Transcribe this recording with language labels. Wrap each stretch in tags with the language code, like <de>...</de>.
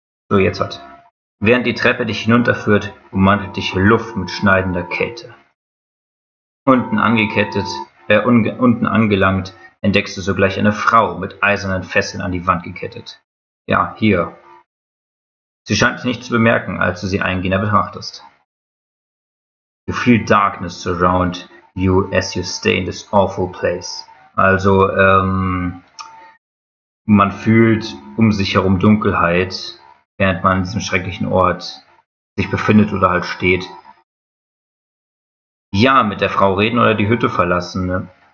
<de>So, jetzt hat. Während die Treppe dich hinunterführt, umwandelt dich Luft mit schneidender Kälte. Unten angelangt, entdeckst du sogleich eine Frau mit eisernen Fesseln an die Wand gekettet. Ja, hier. Sie scheint dich nicht zu bemerken, als du sie eingehender betrachtest.</de> <en>You feel darkness surround you as you stay in this awful place.</en> <de>Also, man fühlt um sich herum Dunkelheit, während man in diesem schrecklichen Ort sich befindet oder halt steht. Ja, mit der Frau reden oder die Hütte verlassen, ne?</de>